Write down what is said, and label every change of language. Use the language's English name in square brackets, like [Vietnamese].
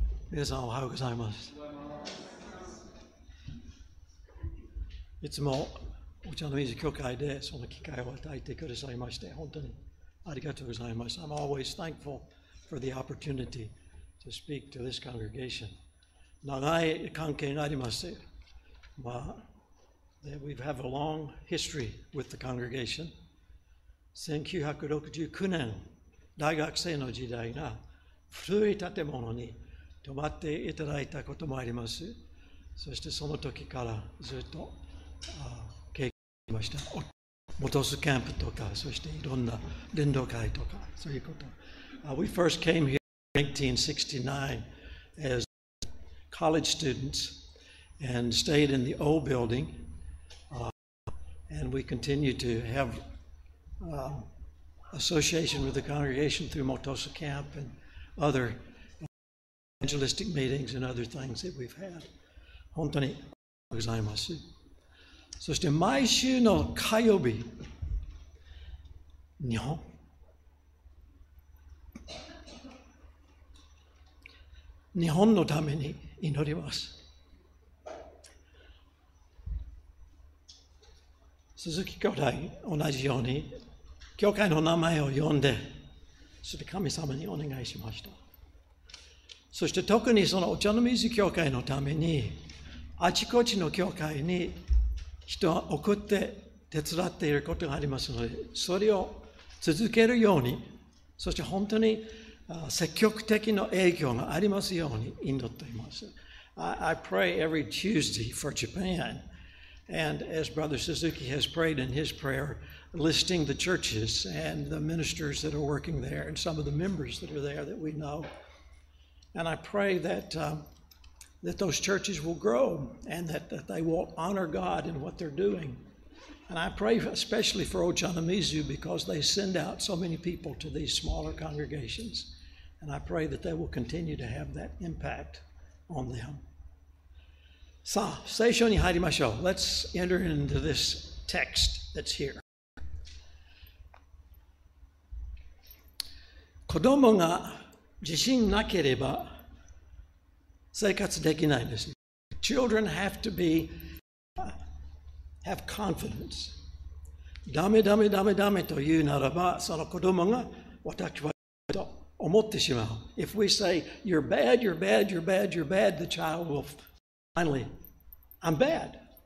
[Japanese] 皆さんおはようございます。いつもお茶の水教会でその機会を与えてくださいまして本当にありがとうございます。 [English] I'm always thankful for the opportunity to speak to this congregation. [Japanese] 長い関係があります。 [English] We have a long history with the congregation. [Japanese] 1969年大学生の時代が古い建物に泊まっていただいたこともあります。そしてその時からずっと経験しました。モトスキャンプとかそしていろんな伝道会とかそういうこと。 [English] We first came here in 1969 as college students and stayed in the old building、and we continued to have、association with the congregation through Motosu Camp and otherEvangelistic meetings and other things that we've had. [Japanese] 本当にありがとうございます。そして毎週の火曜日、日本、日本のために祈ります。鈴木兄弟、同じように教会の名前を呼んで、そして神様にお願いしました。そして特にそのお茶の水教会のためにあちこちの教会に人を送って手伝っていることがありますのでそれを続けるようにそして本当に積極的な影響がありますように祈っています。 [English] I pray every Tuesday for Japan and as Brother Suzuki has prayed in his prayer listing the churches and the ministers that are working there and some of the members that are there that we knowAnd I pray that,、that those churches will grow and that, that they will honor God in what they're doing. And I pray especially for Ochanomizu because they send out so many people to these smaller congregations. And I pray that they will continue to have that impact on them. [Japanese] さあ、聖書に入りましょう。 [English] Let's enter into this text that's here. [Japanese] 子供が自信なければ生活できないんです。 [English] Children have to be, have confidence. [Japanese] ダメダメダメダメと言うならば、その子供が私はと思ってしまう。 [English] If we say, you're bad, you're bad, you're bad, you're bad, the child will finally, I'm bad.